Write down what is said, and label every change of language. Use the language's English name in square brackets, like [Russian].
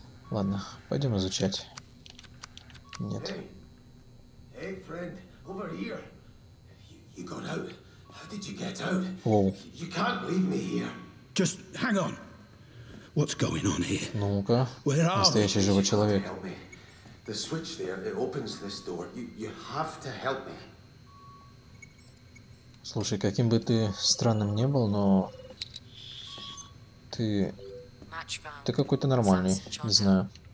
[Russian] Ладно, пойдем изучать. Нет. [English] Эй, Фред, over here. You got out. How did you get out? Oh. You can't leave me here. Just hang on. What's going on here? [Russian] Ну-ка. Настоящий живой человек. [English] The switch there, it opens this door. You have to help me. [Russian] Слушай, каким бы ты странным не был, но ты какой-то нормальный, не знаю.